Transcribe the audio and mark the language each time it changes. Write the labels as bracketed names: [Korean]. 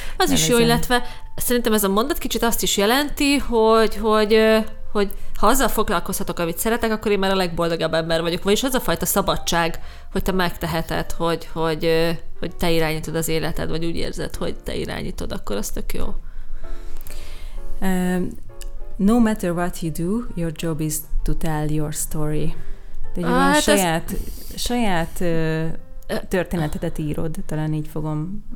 [Hungarian] Az is jó, illetve szerintem ez a mondat kicsit azt is jelenti, hogy ha azzal foglalkozhatok, amit szeretek, akkor én már a legboldogabb ember vagyok. Vagyis az a fajta szabadság, hogy te megteheted, hogy te irányítod az életed, vagy úgy érzed, hogy te irányítod, akkor az tök jó. [English] No matter what you do, your job is to tell your story. [Hungarian] De ugye saját történetedet írod, talán így fogom.